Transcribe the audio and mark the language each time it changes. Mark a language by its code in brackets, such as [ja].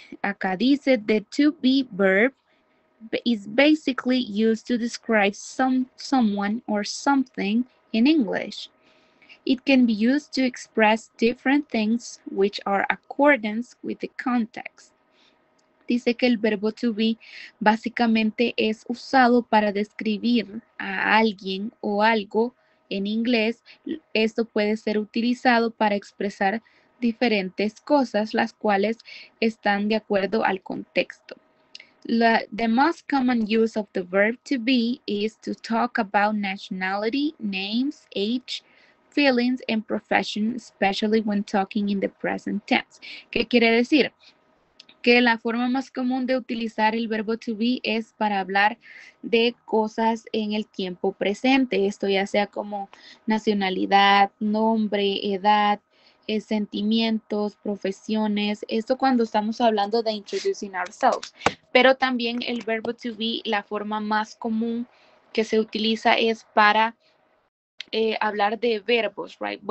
[es] Acá dice, [en] the to be verb is basically used to describe someone or something in English. It can be used to express different things which are accordance with the context. [es] Dice que el verbo to be básicamente es usado para describir a alguien o algo en inglés. Esto puede ser utilizado para expresar diferentes cosas, las cuales están de acuerdo al contexto. [en] The most common use of the verb to be is to talk about nationality, names, age, feelings and profession, especially when talking in the present tense. [es] ¿Qué quiere decir? Que la forma más común de utilizar el verbo to be es para hablar de cosas en el tiempo presente. Esto ya sea como nacionalidad, nombre, edad, sentimientos, profesiones. Esto cuando estamos hablando de [en] introducing ourselves. [es] Pero también el verbo to be, la forma más común que se utiliza es para hablar de verbos, right?